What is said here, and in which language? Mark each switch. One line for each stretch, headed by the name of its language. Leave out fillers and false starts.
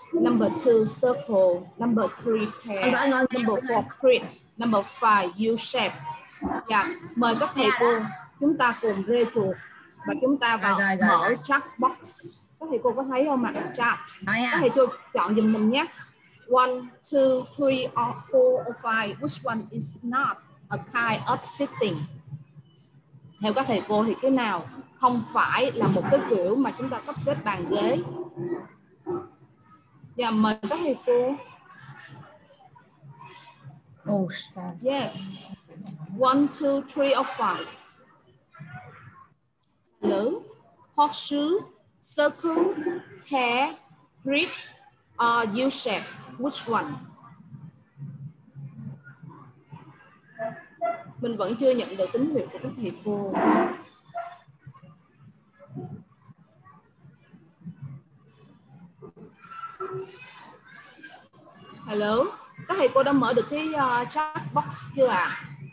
English: Number 2, circle. Number 3, pear. Number 4, crit. Number 5, U-shape.
Vietnamese: Dạ, mời các thầy cô chúng ta cùng rê chuột và chúng ta vào mở chat box. Các thầy cô có thấy không ạ? Chat. Các thầy cô chọn giùm mình nhé.
English: 1, 2, 3, 4, or 5, which one is not a kind of sitting?
Vietnamese: Theo các thầy cô thì cái nào không phải là một cái kiểu mà chúng ta sắp xếp bàn ghế? Dạ, mời các thầy cô.
English: Yes. 1, 2, 3, or 5. Hello. Horseshoe, circle, pear, grid, or U-shape? Which one?
Vietnamese: Mình vẫn chưa nhận được tín hiệu của các thầy cô. Hello, các thầy cô đã mở được cái chat box chưa ạ?